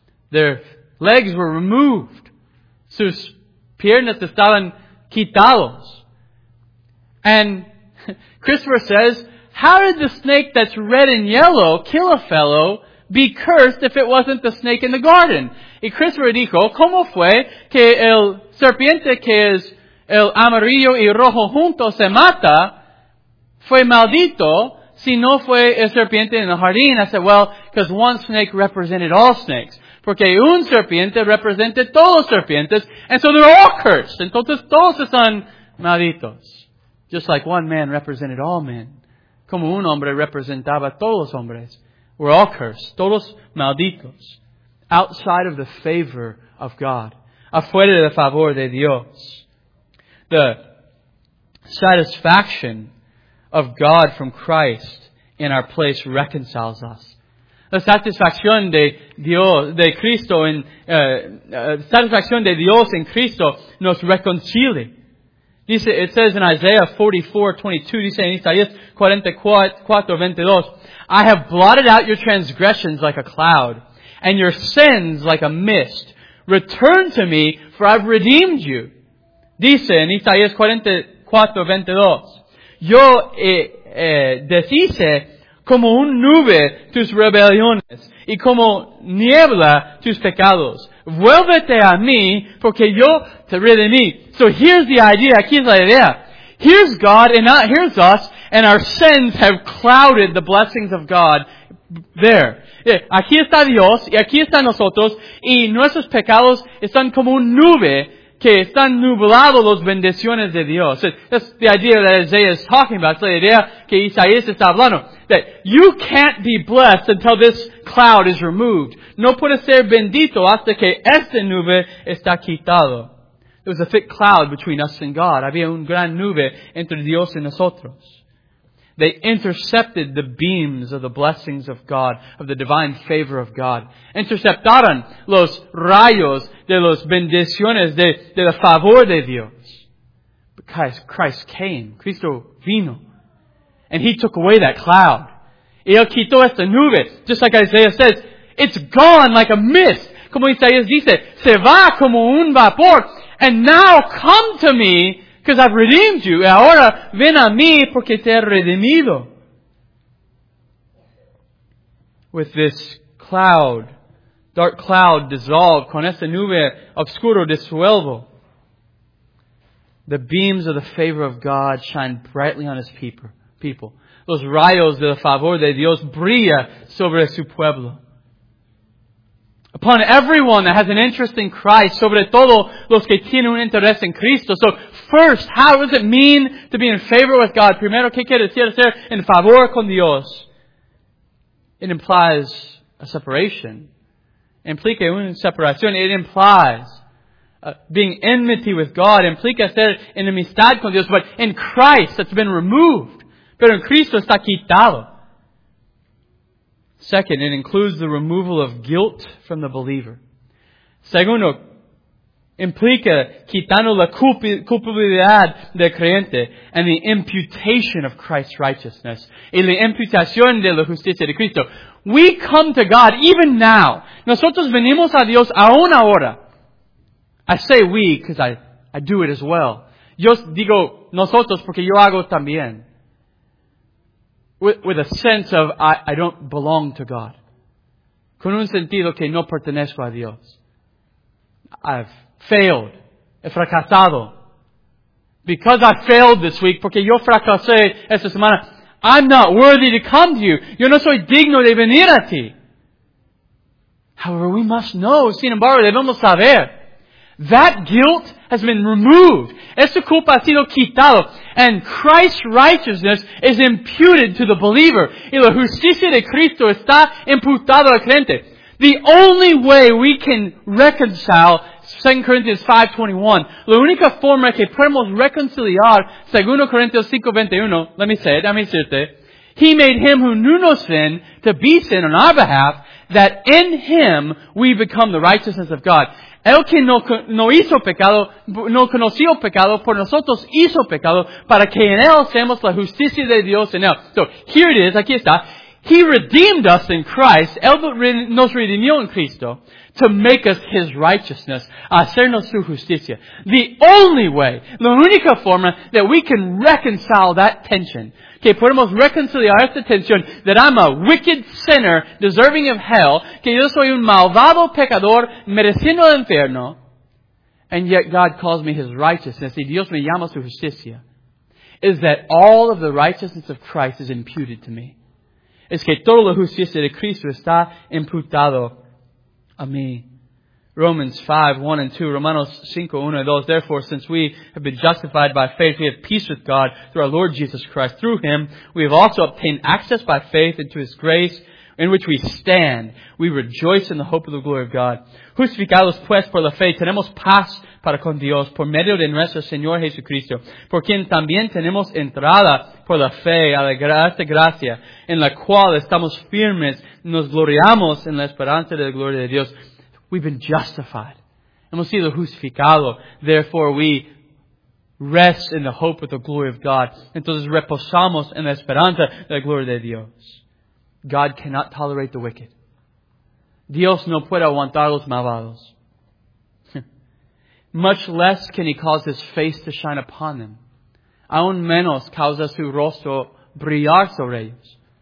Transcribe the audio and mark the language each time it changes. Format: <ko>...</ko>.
<en>Their legs were removed.</en> <es>Sus piernas estaban quitados.</es> <en>And Christopher says, how did the snake that's red and yellow kill a fellow be cursed if it wasn't the snake in the garden?</en> <es>Y Christopher dijo, ¿cómo fue que el serpiente que es el amarillo y rojo junto se mata fue maldito si no fue el serpiente en el jardín?</es> <en>I said, well, because one snake represented all snakes.</en> <es>Porque un serpiente representa todos los serpientes,</es> <en>and so they're all cursed.</en> <es>Entonces todos están malditos.</es> <en>Just like one man represented all men.</en> <es>Como un hombre representaba todos los hombres.</es> <en>We're all cursed.</en> <es>Todos malditos.</es> <en>Outside of the favor of God.</en> <es>Afuera del favor de Dios.</es> <en>The satisfaction of God from Christ in our place reconciles us.</en> <es>La satisfacción de Dios, de Cristo en, satisfacción de Dios en Cristo nos reconcilia.</es> <en>Dice, it says in Isaiah 44:22,</en> <es>dice en Isaías 44:22,</es> <en>I have blotted out your transgressions like a cloud, and your sins like a mist. Return to me, for I've redeemed you.</en> <es>Dice en Isaías 44:22, yo deshice como un nube tus rebeliones, y como niebla tus pecados. Vuélvete a mí, porque yo te redimí.</es> <en>So here's the idea,</en> <es>aquí es la idea.</es> <en>Here's God, and not here's us, and our sins have clouded the blessings of God there.</en> <es>Aquí está Dios, y aquí está nosotros, y nuestros pecados están como un nube, que están nublados las bendiciones de Dios.</es> <en>That's the idea that Isaiah is talking about. It's the idea</en> <es>que Isaías está hablando.</es> <en>That you can't be blessed until this cloud is removed.</en> <es>No puedes ser bendito hasta que esta nube está quitado.</es> <en>There was a thick cloud between us and God.</en> <es>Había un gran nube entre Dios y nosotros.</es> <en>They intercepted the beams of the blessings of God, of the divine favor of God.</en> <es>Interceptaron los rayos de las bendiciones de la favor de Dios.</es> <en>Because Christ came.</en> <es>Cristo vino.</es> <en>And He took away that cloud.</en> <es>Y Él quitó esta nube.</es> <en>Just like Isaiah says, it's gone like a mist.</en> <es>Como Isaías dice, se va como un vapor.</es> <en>And now come to me, because I've redeemed you.</en> <es>Ahora ven a mí porque te he redimido.</es> <en>With this cloud, dark cloud dissolved,</en> <es>con esta nube oscuro disuelvo,</es> <en>the beams of the favor of God shine brightly on His people.</en> <es>Los rayos de favor de Dios brilla sobre su pueblo.</es> <en>Upon everyone that has an interest in Christ,</en> <es>sobre todo los que tienen un interés en Cristo.</es> <en>So first, how does it mean to be in favor with God?</en> <es>Primero, ¿qué quiere decir ser en favor con Dios?</es> <en>It implies a separation.</en> <es>Implica una separación.</es> <en>It implies being enmity with God.</en> <es>Implica ser enemistad con Dios.</es> <en>But in Christ, that's been removed.</en> <es>Pero en Cristo está quitado.</es> <en>Second, it includes the removal of guilt from the believer.</en> <es>Segundo, implica quitando la culpabilidad del creyente</es> <en>and the imputation of Christ's righteousness.</en> <es>Y la imputación de la justicia de Cristo.</es> <en>We come to God even now.</en> <es>Nosotros venimos a Dios aún ahora.</es> <en>I say we because I do it as well.</en> <es>Yo digo nosotros porque yo hago también.</es> <en>With a sense of, I don't belong to God.</en> <es>Con un sentido que no pertenezco a Dios.</es> <en>I've failed.</en> <es>He fracasado.</es> <en>Because I failed this week,</en> <es>porque yo fracasé esta semana,</es> <en>I'm not worthy to come to you.</en> <es>Yo no soy digno de venir a ti.</es> <en>However, we must know,</en> <es>sin embargo, debemos saber.</es> <en>That guilt has been removed.</en> <es>Esa culpa ha sido quitado.</es> <en>And Christ's righteousness is imputed to the believer.</en> <es>Y la justicia de Cristo está imputada al creyente.</es> <en>The only way we can reconcile 2 Corinthians 5:21.</en> <es>La única forma que podemos reconciliar 2 Corinthians 5:21.</es> <en>Let me say it. He made him who knew no sin to be sin on our behalf, that in him we become the righteousness of God.</en> <es>El que no hizo pecado, no conoció pecado, por nosotros hizo pecado, para que en él seamos la justicia de Dios en él.</es> <en>So, here it is,</en> <es>aquí está.</es> <en>He redeemed us in Christ,</en> <es>él nos redimió en Cristo,</es> <en>to make us his righteousness,</en> <es>hacernos su justicia.</es> <en>The only way,</en> <es>la única forma</es> <en>that we can reconcile that tension,</en> <es>que podemos reconciliar esta tensión,</es> <en>that I'm a wicked sinner deserving of hell,</en> <es>que yo soy un malvado pecador mereciendo el infierno,</es> <en>and yet God calls me his righteousness,</en> <es>y Dios me llama su justicia,</es> <en>is that all of the righteousness of Christ is imputed to me.</en> <es>Es que toda la justicia de Cristo está imputado a mí.</es> <en>Romans 5, 1 and 2, Romanos 5, 1 and 2. Therefore, since we have been justified by faith, we have peace with God through our Lord Jesus Christ. Through him, we have also obtained access by faith into his grace, in which we stand. We rejoice in the hope of the glory of God.</en> <es>Justificados pues por la fe, tenemos paz para con Dios por medio de nuestro Señor Jesucristo, por quien también tenemos entrada por la fe a esta gracia, en la cual estamos firmes, nos gloriamos en la esperanza de la gloria de Dios.</es> <en>We've been justified.</en> <es>Hemos sido justificados.</es> <en>Therefore, we rest in the hope of the glory of God.</en> <es>Entonces, reposamos en la esperanza de la gloria de Dios.</es> <en>God cannot tolerate the wicked.</en> <es>Dios no puede aguantar los malvados.</es> <en>Much less can he cause his face to shine upon them.</en> <es>Aún menos causa su rostro brillar sobre ellos.</es>